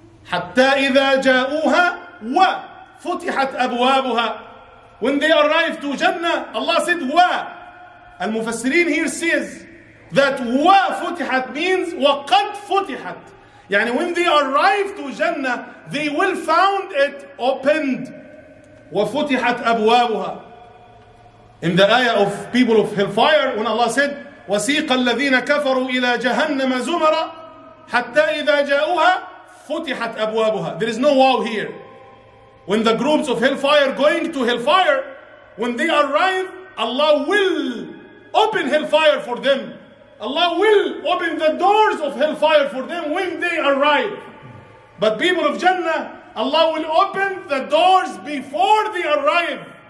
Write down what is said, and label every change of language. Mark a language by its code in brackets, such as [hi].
[ar] حتى إذا جاءوها وفتحت أبوابها. [en] When they arrive to Jannah, Allah said wa. المفسرين here says that وَفُتِحَتْ means وَقَدْ فُتِحَتْ. يعني when they arrive to Jannah, they will found it opened. [ar] وَفُتِحَتْ أَبْوَابُهَا. In the ayah of people of hellfire, when Allah said, وَسِيقَ الَّذِينَ كَفَرُوا إِلَى جَهَنَّمَ زُمَرَ حَتَّى إِذَا جَاءُوهَا فُتِحَتْ أَبْوَابُهَا. [en] There is no wow here. When the groups of hellfire going to hellfire, when they arrive, Allah will open hellfire for them. Allah will open the doors of hellfire for them when they arrive. But people of Jannah, Allah will open the doors before they arrive.